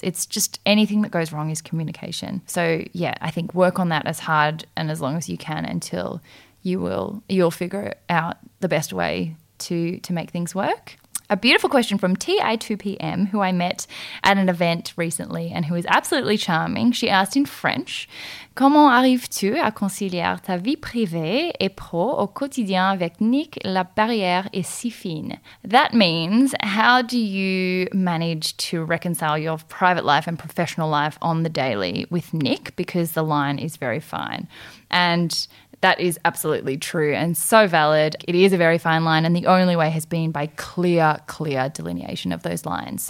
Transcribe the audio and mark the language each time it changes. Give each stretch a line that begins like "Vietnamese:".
English: It's just anything that goes wrong is communication. So yeah, I think work on that as hard and as long as you can until you'll figure out the best way to make things work. A beautiful question from TI2PM, who I met at an event recently and who is absolutely charming. She asked in French,
French: comment arrives-tu à concilier ta vie privée et pro au quotidien avec Nick? La barrière est si fine.
English: That means, how do you manage to reconcile your private life and professional life on the daily with Nick? Because the line is very fine. And that is absolutely true and so valid. It is a very fine line, and the only way has been by clear, clear delineation of those lines.